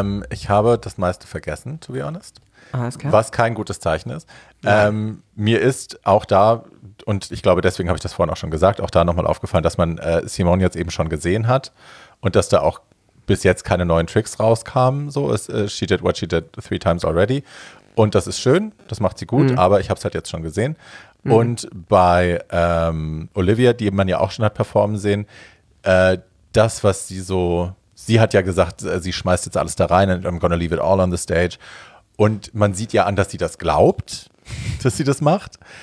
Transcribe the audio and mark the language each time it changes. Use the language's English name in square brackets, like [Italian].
[German] Ich habe das meiste vergessen, [English] to be honest. [German] Alles klar. Was kein gutes Zeichen ist. Ja. Mir ist auch da, und ich glaube, deswegen habe ich das vorhin auch schon gesagt, auch da nochmal aufgefallen, dass man Simone jetzt eben schon gesehen hat und dass da auch bis jetzt keine neuen Tricks rauskamen. [English] So, she did what she did 3 times already. [German] Und das ist schön, das macht sie gut, aber ich habe es halt jetzt schon gesehen. Mhm. Und bei Olivia, die man ja auch schon hat performen sehen, das, was sie so, sie hat ja gesagt, sie schmeißt jetzt alles da rein [English] and I'm gonna leave it all on the stage. [German] Und man sieht ja an, dass sie das glaubt, dass sie das macht.